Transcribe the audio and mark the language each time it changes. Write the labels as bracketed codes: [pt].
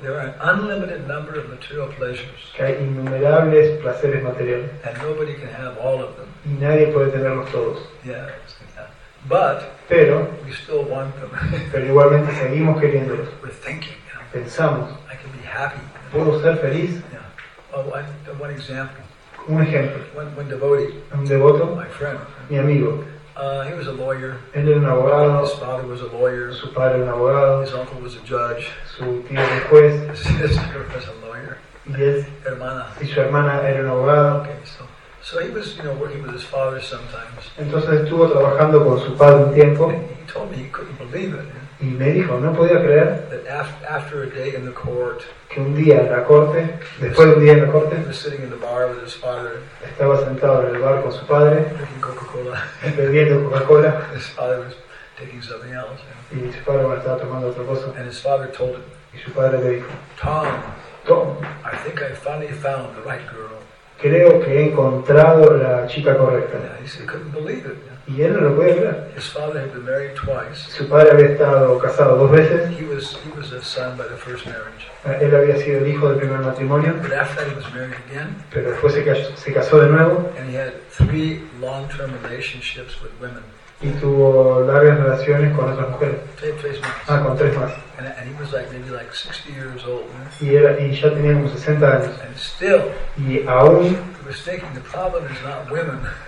[en] There are an unlimited number of material pleasures. [es] Que hay innumerables placeres materiales. [en] And nobody can have all of them. [es] Y nadie puede tenerlos todos. [en] Yeah. But. [es] Pero. [en] We still want them. [es] Pero igualmente seguimos queriéndolos. [en] We're thinking. You know, [es] pensamos. [en] I can be happy. [es] Puedo ser feliz. [en] Yeah. Oh, one example. [es] Un ejemplo. [en] One devotee. [es] Un devoto. [en] My friend. [es] Mi amigo. [en] He was a lawyer. [es] Él era un abogado. [en] His father was a lawyer. [es] Su padre era un abogado. [en] His uncle was a judge. [es] Su tío era un juez. [en] His sister was a lawyer. Yes. [es] Hermana. Y su hermana era un abogado. [en] Okay, so he was, you know, working with his father sometimes. [es] Entonces estuvo trabajando con su padre un tiempo. [en] He told me he couldn't believe it. [es] Y me dijo, no podía creer. [en] That after a day in the court. [es] Que un día en la corte. Después de un día en la corte. [en] He was sitting in the bar with his father. [es] Estaba sentado en el bar con su padre. Bebiendo Coca-Cola. [en] His father was taking something else. [es] Y su padre estaba tomando otra cosa. [en] And his father told him. [es] Y su padre le dijo. [en] Tom. I think I finally found the right girl. [es] Creo que he encontrado la chica correcta. [en] Yeah, he said, couldn't believe it. [es] Y él no lo puede creer. [en] His father had been married twice. [es] Su padre había estado casado dos veces. [en] He was a son by the first marriage. [es] Él había sido el hijo del primer matrimonio. [en] But after he was married again. [es] Pero después se casó de nuevo. [en] And he had three long-term relationships with women. [es] Y tuvo largas relaciones con otras mujeres. Tres más. Ah, con tres más. [en] And he was like maybe like 60 years old. [es] Y ya tenía como 60 años. [en] And still. [es] Y aún. [en] He was thinking the problem is not women.